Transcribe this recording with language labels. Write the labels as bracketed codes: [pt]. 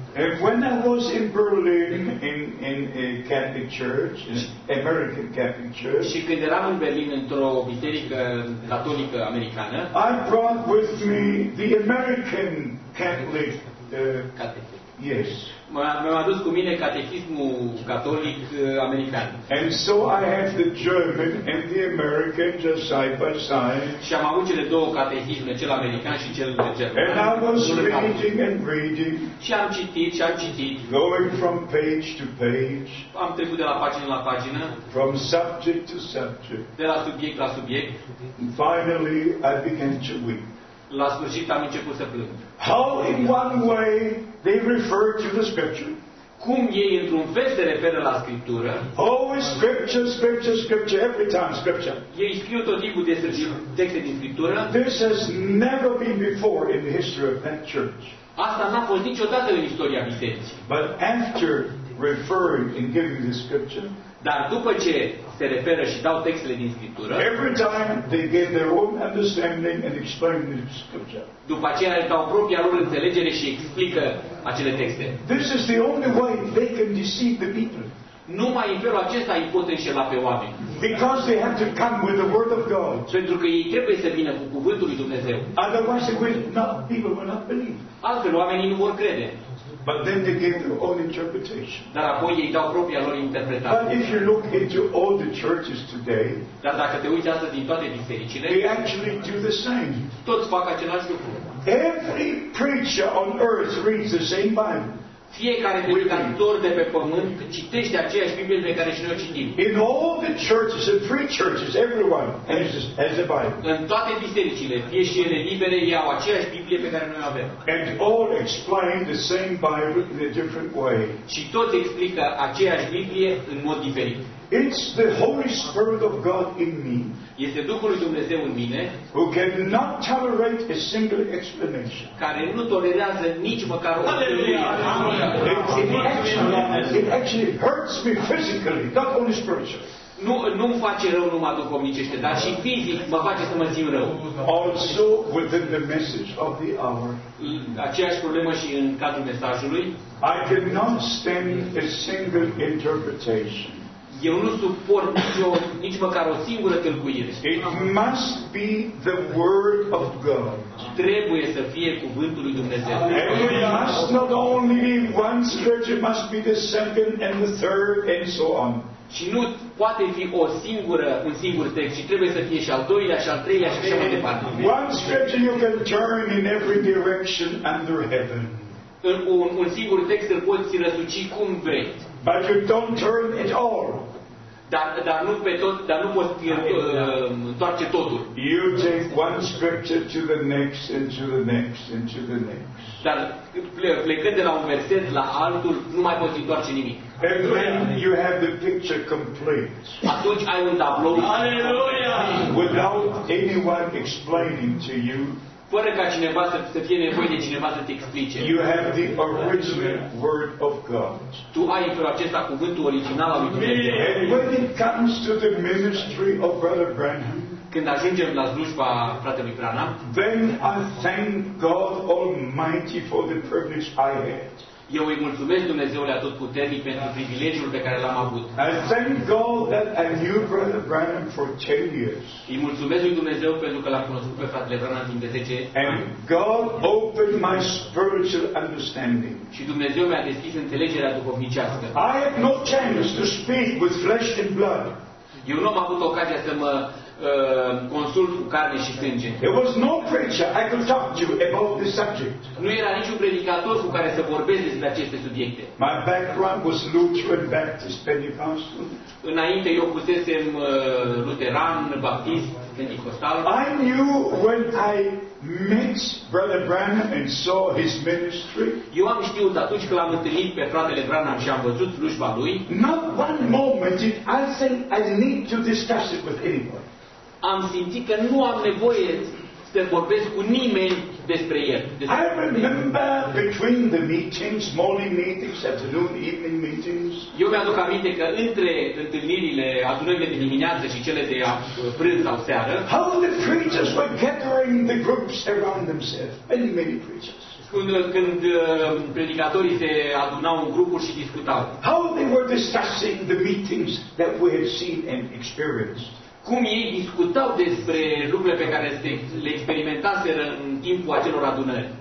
[en] And when I was in Berlin in a Catholic church, an American Catholic church. [ro] Și când eram în Berlin într-o biserică catolică americană. [en] I brought with me the American Catholic catechism. Yes. [ro] M-am adus cu mine catechismul catolic american. [en] And so I have the German and the American just side by side. [ro] Și am avut cele două catehisme, cel american și cel german. [en] And I was reading and reading. [ro] Și am citit și am citit. [en] Going from page to page. [ro] Am trecut de la pagină la pagină. [en] From subject to subject. [ro] De la subiect la subiect. [en] And finally I began to weep. [ro] La sfârșit am început să plâng. [en] How in one way they refer to the scripture? [ro] Cum ei într-un fel se referă la scriptură? [en] Oh, scripture, scripture, scripture, every time scripture. [ro] Ei scriu tot timpul texte din scriptură. [en] This has never been before in the history of that church. [ro] Asta n-a fost niciodată în istoria bisericii. [en] But after referring and giving the scripture. [ro] Dar după ce se referă și dau textele din scriptură. [en] Every time they give their own understanding and explain the scripture. [ro] După aceea le dau propria lor înțelegere și explică acele texte. [en] This is the only way they can deceive the people. [ro] Numai în felul acesta îi pot înșela pe oameni. [en] Because they have to come with the word of God. [ro] Pentru că ei trebuie să vină cu cuvântul lui Dumnezeu. [en] Otherwise they will not, people will not believe. [ro] Altfel oamenii nu vor crede. [en] But then they give their own interpretation. [ro] Dar apoi ei dau propria lor interpretare. [en] But if you look into all the churches today, [ro] dar dacă te uiți astăzi din toate bisericile, [en] they actually do the same. [ro] Toți fac același lucru. [en] Every preacher on earth reads the same Bible. [ro] Fiecare predicator de pe pământ citește aceeași Biblie pe care și noi o citim. [en] In all the churches, in three churches, everyone has a Bible. [ro] În toate bisericile, fie și ele libere, iau aceeași Biblie pe care noi o avem. [en] And all explain the same Bible in a different way. [ro] Și toți explică aceeași Biblie în mod diferit. [en] It's the Holy Spirit of God in me. [ro] Este Duhul lui Dumnezeu în mine. [en] Who cannot tolerate a single explanation. [ro] Care nu tolerează nici măcar o explanație. [en] It actually hurts me physically, not only spiritually. [ro] Nu îmi face rău numai duhovnicește, dar și fizic mă face să mă simt rău. [en] Also within the message of the hour. [ro] Aceeași problemă și în cadrul mesajului. [en] I cannot stand a single interpretation. [ro] Eu nu suport nici măcar o singură tâlcuire. [en] It must be the word of God. [ro] Trebuie să fie cuvântul lui Dumnezeu. [en] And it must not only be one scripture, it must be the second and the third and so on. [ro] Și nu poate fi o singură, un singur text, ci trebuie să fie și al doilea, și al treilea, și așa mai departe. [en] One scripture you can turn in every direction under heaven. [ro] Un singur text îl poți răsuci cum vrei. [en] But you don't turn it all. [ro] Dar nu pe tot, dar nu poți întoarce totul. [en] You take one scripture to the next and to the next and to the next. [ro] Dar plecând de la un verset la altul, nu mai poți întoarce nimic. [en] And then you have the picture complete. [ro] Atunci ai un tablou. Aleluia! [en] Without anyone explaining to you. [ro] Fără ca cineva să fie nevoie de cineva să te explice. [en] You have the original word of God. [ro] Tu ai în felul acesta cuvântul original al lui Dumnezeu. [en] And when it comes to the ministry of Brother Branham, [ro] când ajungem la slujba fratelui Branham, [en] then I thank God Almighty for the privilege I had. [ro] Eu îi mulțumesc Dumnezeule Atotputernic pentru privilegiul pe care l-am avut. [en] I thank God that I knew Brother Branham for 10 years. [ro] Îi mulțumesc lui Dumnezeu pentru că l-am cunoscut pe fratele Branham timp de 10 ani. [en] And God opened my spiritual understanding. [ro] Și Dumnezeu mi-a deschis înțelegerea duhovnicească. [en] I have no chance to speak with flesh and blood. [ro] Eu nu am avut ocazia să mă consult cu carne și sânge. [en] There was no preacher I could talk to about this subject. [ro] Nu era niciun predicator cu care să vorbesc despre aceste subiecte. [en] My background was Lutheran, Baptist, Pentecostal. [ro] Înainte eu fusesem luteran, baptist, pentecostal. [en] I knew when I met Brother Branham and saw his ministry. [ro] Eu am știut atunci când l-am întâlnit pe fratele Branham și am văzut slujba lui. [en] Not one moment did I say I need to discuss it with anybody. [ro] Am simțit că nu am nevoie să vorbesc cu nimeni despre el. [en] I remember between the meetings, morning meetings, afternoon, evening meetings. [ro] Eu mi-aduc aminte că între întâlnirile, adunările de dimineață și cele de prânz sau seară, [en] how the preachers were gathering the groups around themselves, many, many preachers. [ro] Când predicatorii se adunau în grupuri și discutau. [en] How they were discussing the meetings that we had seen and experienced. [ro] cum ei discutau despre lucrurile pe care le experimentaseră în timpul acelor adunări.